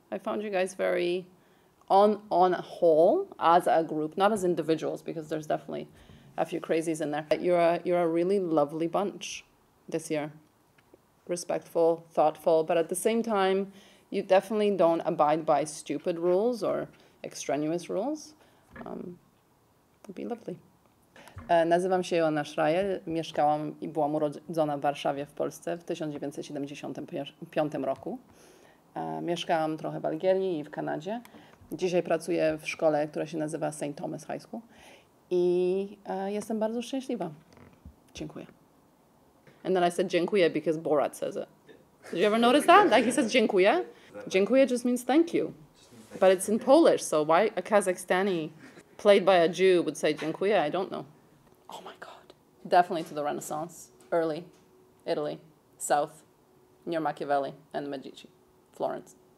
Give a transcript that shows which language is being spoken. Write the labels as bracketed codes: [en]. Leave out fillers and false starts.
[en] I found you guys very, on a whole, as a group, not as individuals, because there's definitely a few crazies in there. But you're a really lovely bunch. This year, respectful, thoughtful, but at the same time, you definitely don't abide by stupid rules or extraneous rules. It'd be lovely. [pl] Nazywam się Joanna Schreyer. Mieszkałam i byłam urodzona w Warszawie w Polsce w 1975 roku. Mieszkałam trochę w Algierii i w Kanadzie. Dzisiaj pracuję w szkole, która się nazywa St. Thomas High School. I jestem bardzo szczęśliwa. [en] Dziękuję. And then I said, dziękuję, because Borat says it. Did you ever notice that? Like he says, dziękuję. Dziękuję just means thank you. But it's in Polish, so why a Kazakhstani played by a Jew would say, dziękuję, I don't know. Oh my God. Definitely to the Renaissance, early Italy, south, near Machiavelli and the Medici, Florence.